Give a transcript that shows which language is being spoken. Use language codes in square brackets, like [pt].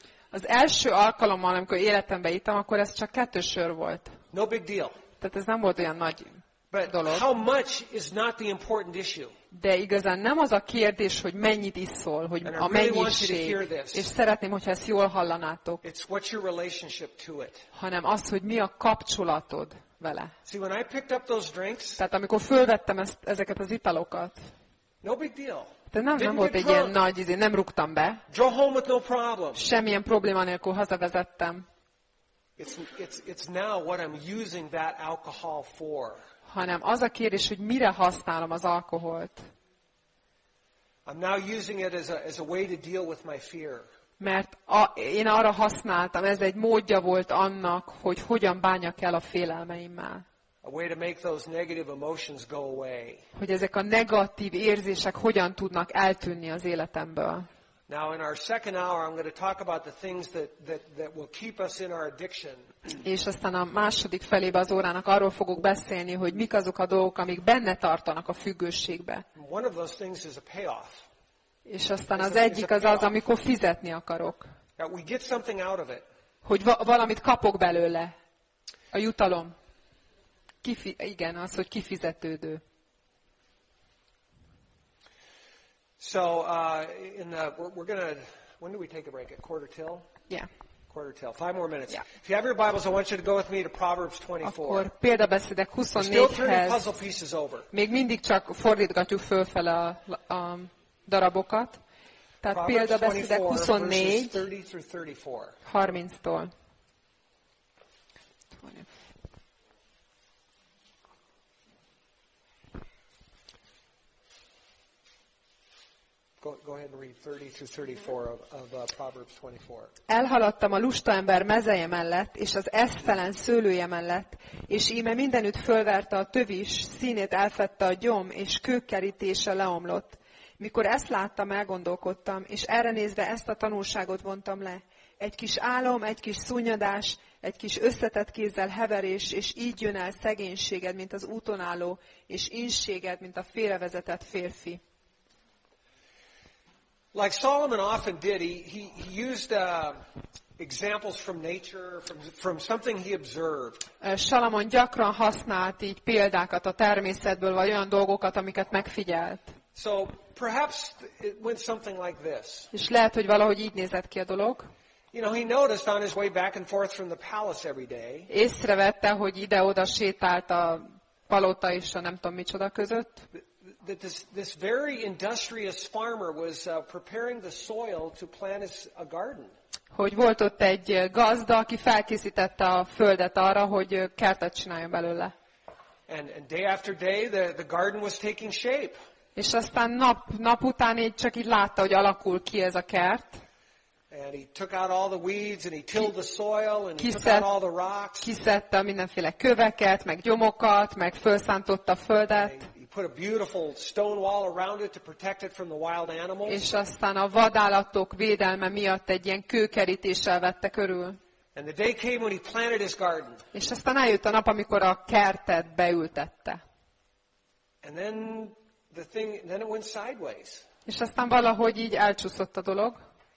[hu] Az első alkalommal, amikor életembe ittam, akkor ez csak kettő sör volt. Tehát ez nem volt olyan nagy. [en] But how much is not the important issue. [hu] De igazán nem az a kérdés, hogy mennyit iszol, hogy a mennyiség, és szeretném, hogyha ezt jól hallanátok, [en] it's what's your relationship to it. [hu] Hanem az, hogy mi a kapcsolatod vele. [en] See, when I picked up those drinks, [hu] tehát amikor fölvettem ezeket az italokat, [en] no big deal. [hu] De nem volt egy ilyen nagy, nem rúgtam be, [en] drove home with no problem. [hu] Semmilyen probléma nélkül hazavezettem. [en] It's now what I'm using that alcohol for. [hu] Hanem az a kérdés, hogy mire használom az alkoholt. [en] I'm now using it as a way to deal with my fear. [hu] Mert én arra használtam, ez egy módja volt annak, hogy hogyan bánjak el a félelmeimmel. [en] A way to make those negative emotions go away. [hu] Hogy ezek a negatív érzések hogyan tudnak eltűnni az életemből. [en] Now in our second hour I'm going to talk about the things that will keep us in our addiction. [hu] És aztán a második felében az órának arról fogok beszélni, hogy mik azok a dolgok, amik benne tartanak a függőségbe. [en] One of those things is a payoff. [hu] És aztán az egyik az az, amikor fizetni akarok. [en] That we get something out of it. [hu] Hogy valamit kapok belőle. A jutalom. Igen, az, hogy kifizetődő. [en] So in the we're gonna when do we take a break? At quarter till? Yeah. Quarter till. Five more minutes. Yeah. If you have your Bibles, I want you to go with me to Proverbs 24. [hu] Akkor példabeszédek 24-hez. [en] Still turning puzzle pieces over. [hu] Még mindig csak fordítgatjuk fölfele a darabokat. Tehát példabeszédek 24. 30-tól. [en] Go ahead and read 30-34 of Proverbs 24. [hu] Elhaladtam a lusta ember mezeje mellett, és az esztelen szőlője mellett, és íme mindenütt fölverte a tövis, színét elfette a gyom, és kőkerítése leomlott. Mikor ezt láttam, elgondolkodtam, és erre nézve ezt a tanulságot vontam le. egy kis álom, egy kis szunnyadás, egy kis összetett kézzel heverés, és így jön el szegénységed, mint az úton álló, és ínséged, mint a félrevezetett férfi. [en] Like Solomon often did, he used examples from nature, from something he observed. [hu] Salomon gyakran használt így példákat a természetből, vagy olyan dolgokat, amiket megfigyelt. [en] So perhaps it went something like this. [hu] És lehet, hogy valahogy így nézett ki a dolog. [en] You know, he noticed on his way back and forth from the palace every day. [hu] Észrevette, hogy ide-oda sétált a palota és a nem tudom micsoda között. [en] That this very industrious farmer was preparing the soil to plant a garden. [hu] Hogy volt ott egy gazda, aki felkészítette a földet arra, hogy kertet csináljon belőle. [en] And day after day the garden was taking shape. [hu] És aztán nap után így csak így látta, hogy alakul ki ez a kert. [en] And he took out all the weeds and he tilled the soil and he took out all the rocks. [hu] Kiszedte mindenféle köveket, meg gyomokat, meg felszántotta a földet. [en] Put a beautiful stone wall around it to protect it from the wild animals. [hu] És aztán a vadállatok védelme miatt egy ilyen kőkerítéssel vette körül. [en] And the day came when he planted his garden. [hu] És aztán eljött a nap, amikor a kertet beültette. [en] And then it went sideways. [hu] És aztán valahogy így elcsúszott a dolog.